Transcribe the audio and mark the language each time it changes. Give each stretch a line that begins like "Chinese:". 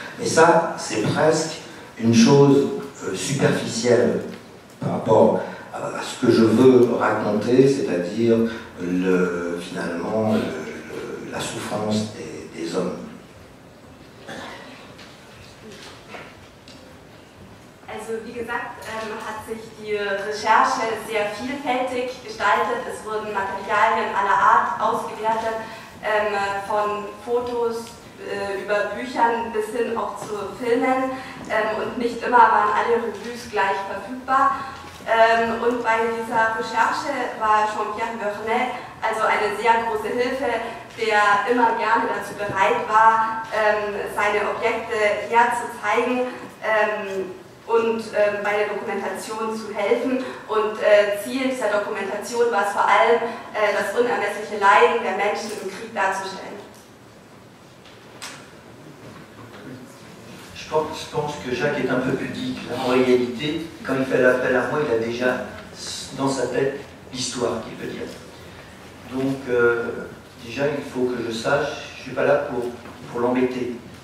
French: Mais ça, c'est presque une chose superficielle par rapport à ce que je veux raconter, c'est-à-dire la souffrance des hommes.
German: Also wie gesagt, hat sich die Recherche sehr vielfältig gestaltet. Es wurden Materialien aller Art ausgewertet, von Fotos über Büchern bis hin auch zu Filmen. Und nicht immer waren alle Revues gleich verfügbar. Und bei dieser Recherche war Jean-Pierre Vernet also eine sehr große Hilfe, der immer gerne dazu bereit war, seine Objekte herzuzeigen, und bei der Dokumentation zu helfen. Und Ziel dieser Dokumentation war es vor allem, das unermessliche Leiden der Menschen im Krieg darzustellen.
French: Je pense que Jacques est un peu pudique. En réalité, quand il fait l'appel à moi, il a déjà dans sa tête l'histoire qu'il veut dire. Donc, déjà, il faut que je sache, je suis pas là pour l'embêter.